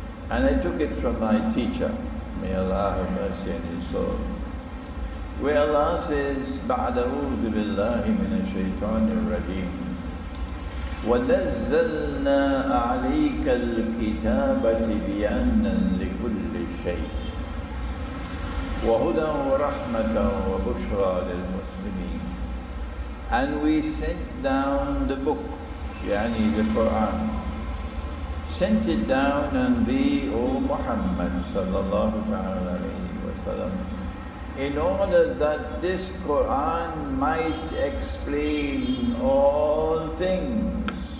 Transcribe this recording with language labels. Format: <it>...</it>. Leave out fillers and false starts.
<en>And I took it from my teacher, may Allah have mercy on his soul, where Allah says,</en> <ar>بَعْدَ أُوذُ بِاللَّهِ مِنَ الشَّيْطَانِ الرَّجِيمِ وَنَزَّلْنَا عَلَيْكَ الْكِتَابَةِ بِيَانًا لِكُلِّ شَيْءٍ. وهدى ورحمة وبشرى للمسلمين.</ar> <en>And we sent down the book,</en> <ar>يعني</ar> <en>the Quran. Sent it down on thee, O Muhammad صلى الله عليه وسلم, in order that this Quran might explain all things.</en>